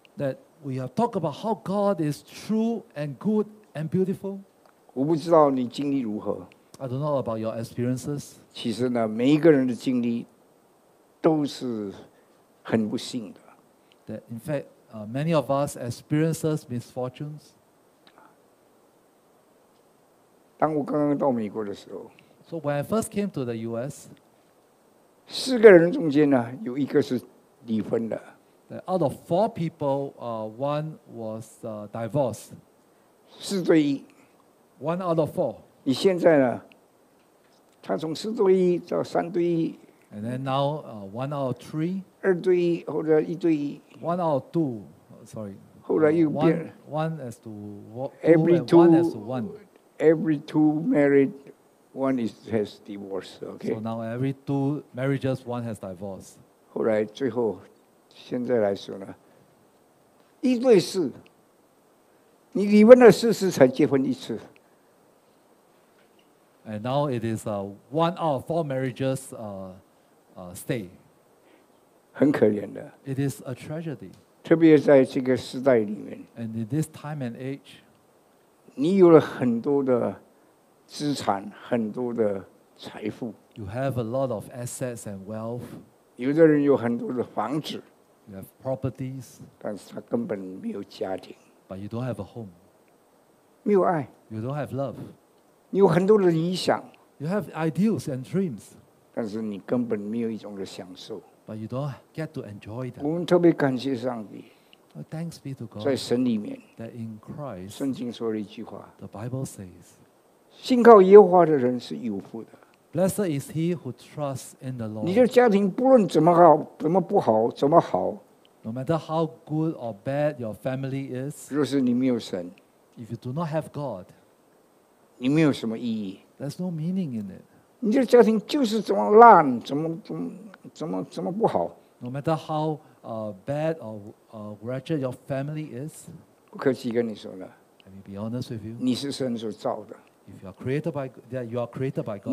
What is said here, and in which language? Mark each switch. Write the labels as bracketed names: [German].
[English] That we have talked about how God is true and good and beautiful. [Chinese] 我不知道你经历如何。 [English] I don't know about your experiences. [Chinese] 其实呢，每一个人的经历都是。很不幸的。 [English] That in fact, many of us experience misfortunes. [Chinese] 当我刚刚到美国的时候 [English] ，So when I first came to the U.S. [Chinese] 四个人中间呢，有一个是离婚的。 [English] That out of four people, one was divorced. [Chinese] 四对一。 [English] One out of four. [Chinese] 你现在呢？他从四对一到三对一。 [English] And then now, one out of three. [Chinese] 二对一或者一对一。 [English] One out of two, sorry. [Chinese] 后来又变。 [English] One as to every two. One as to one. Every two married, one has divorced. Okay. So now every two marriages, one has divorced. [Chinese] 后来最后，现在来说呢，一对四。你离婚了四次才结婚一次。 [English] And now it is one out of four marriages. Stay. [Chinese] 很可怜的。 [English] It is a tragedy. [Chinese] 特别在这个时代里面。 [English] And in this time and age, [Chinese] 你有了很多的资产，很多的财富。 [English] You have a lot of assets and wealth. [Chinese] 有的人有很多的房子。 [English] You have properties. [Chinese] 但是他根本没有家庭。 [English] But you don't have a home. [Chinese] 没有爱。 [English] You don't have love. [Chinese] 你有很多的理想。 [English] You have ideals and dreams. [Chinese] 但是你根本没有一种的享受。 [English] But you don't get to enjoy that. [Chinese] 我们特别感谢上帝。 [English] Thanks be to God. [Chinese] 在神里面。 [English] That in Christ. [Chinese] 圣经说了一句话。 [English] The Bible says. [Chinese] 信靠耶和华的人是有福的。 [English] Blessed is he who trusts in the Lord. [Chinese] 你的家庭不论怎么好，怎么不好，怎么好。 [English] No matter how good or bad your family is. [Chinese] 若是你没有神。 [English] If you do not have God. [Chinese] 你没有什么意义。 [English] There's no meaning in it. [Chinese] 你的家庭就是怎么烂，怎么不好。 [English] No matter how bad or wretched your family is, [Chinese] 我可以跟你说了。 [English] Let me be honest with you. [Chinese] 你是神所造的。 [English] If you are created by God, you are created by God.